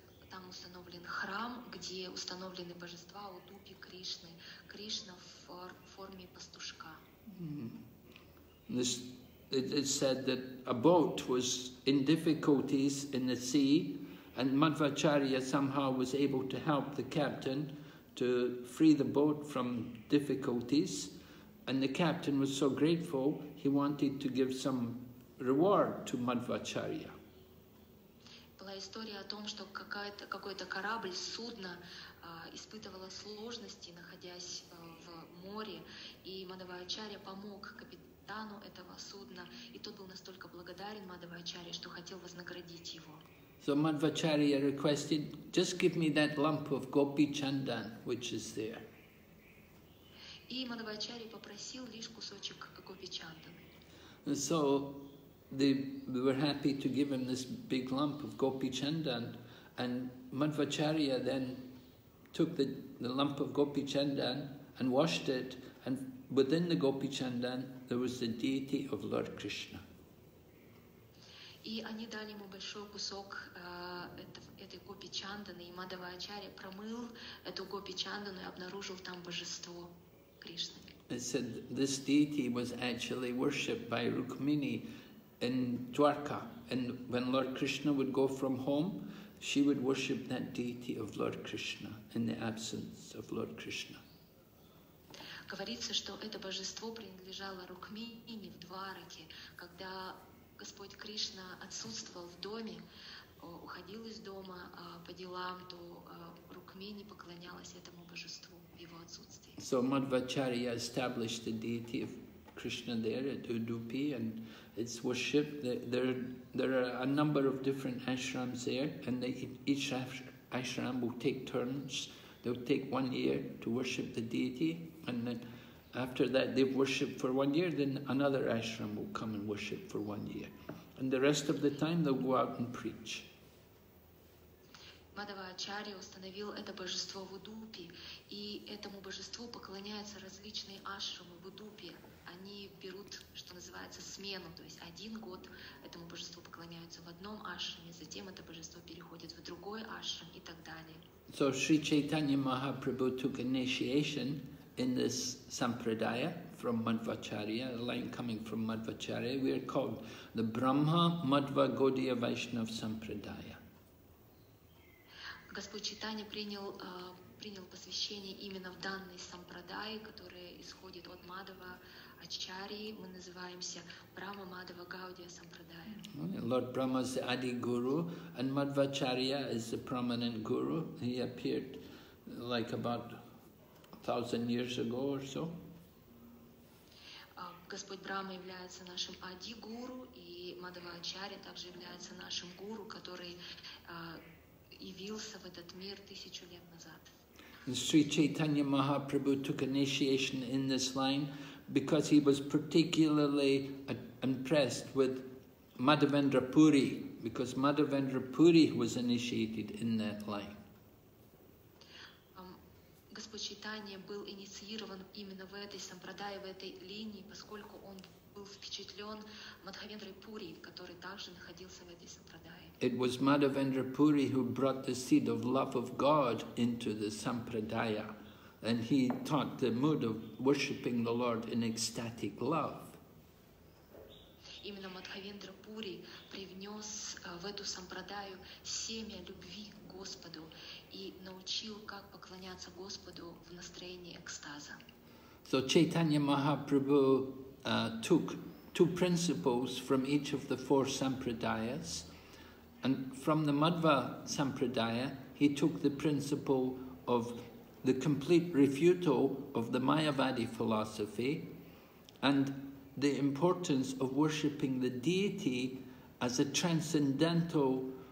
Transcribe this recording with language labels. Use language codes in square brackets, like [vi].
[ru] Там установлен храм, где установлены божества Удупи Кришны, Кришна в форме пастушка. [en] It said that a boat was in difficulties in the sea, and Madhvacharya somehow was able to help the captain to free the boat from difficulties, and the captain was so grateful he wanted to give some reward to Madhvacharya. [ru] Была история о том, что какой-то корабль, судно испытывала сложности, находясь в море, и Мадхва Ачарья помог капитану этого судна, и тот был настолько благодарен Мадхва Ачарье, что хотел вознаградить его. [en] So Madhva Acharya requested, just give me that lump of Gopi Chandan, which is there. [ru] И Мадхва Ачарья попросил лишь кусочек Гопи Чанданы. [en] So they were happy to give him this big lump of Gopi Chandan, and Madhva Acharya then took the lump of Gopi Chandan and washed it, and within the Gopi Chandan there was the deity of Lord Krishna. [ru] И они дали ему большой кусок этой Гопи Чанданы, и Мадхва Ачарья промыл эту Гопи Чандану и обнаружил там божество Кришны. [en] It said this deity was actually worshipped by Rukmini in Dwarka, and when Lord Krishna would go from home, she would worship that deity of Lord Krishna in the absence of Lord Krishna. [ru] Говорится, что это божество принадлежало Рукмини в Двараке, когда Господь Кришна отсутствовал в доме, уходил из дома по делам, то Рукмини поклонялась этому божеству в его отсутствии. [en] So Madhva Acharya established the deity of Krishna there at Udupi, and it's worshipped. There are a number of different ashrams there, and each ashram will take turns. They'll take 1 year to worship the deity, and then After that, they've worshipped for 1 year, then another ashram will come and worship for 1 year. And the rest of the time, they'll go out and preach. [ru] Мадава Ачарья установил это божество в Удупе, и этому божеству поклоняются различные ашрамы в Удупе. Они берут, что называется, смену, то есть один год этому божеству поклоняются в одном ашраме, затем это божество переходит в другой ашрам и так далее. [en] So Sri Chaitanya Mahaprabhu took initiation in this sampradaya from Madhvacharya, a line coming from Madhvacharya. We are called the Brahma Madhva Gaudiya Vaishnav Sampradaya. [ru] Господь Чайтанья принял посвящение именно в данной сампрадае, которая исходит от Мадхава Ачарьи. Мы называемся Брахма Мадхава Гаудия Сампрадая. [en] Lord Brahma is the Adi Guru, and Madhvacharya is the prominent guru. He appeared like about 1,000 years ago or so. [ru] Господь Брахма является нашим Ади Гуру, и Мадхава Ачарьи также является нашим гуру, который явился в этот мир 1000 лет назад. [en] Sri Chaitanya Mahaprabhu took initiation in this line because he was particularly impressed with Madhavendra Puri, because Madhavendra Puri was initiated in that line. [ru] Господь Чайтанья был инициирован именно в этой сампрадае, в этой линии, поскольку он был впечатлен Мадхавендрой Пури, который также находился в этой сампрадае. [en] It was Madhavendra Puri who brought the seed of love of God into the sampradaya, and he taught the mood of worshipping the Lord in ecstatic love. [ru] Именно Мадхавендра Пури привнес в эту сампрадаю семя любви к Господу и научил, как поклоняться Господу в настроении экстаза. [en] So Chaitanya Mahaprabhu took two principles from each of the four sampradayas, and from the Madhva Sampradaya, he took the principle of the complete refutal of the Mayavadi philosophy and the importance of worshipping the deity as a transcendental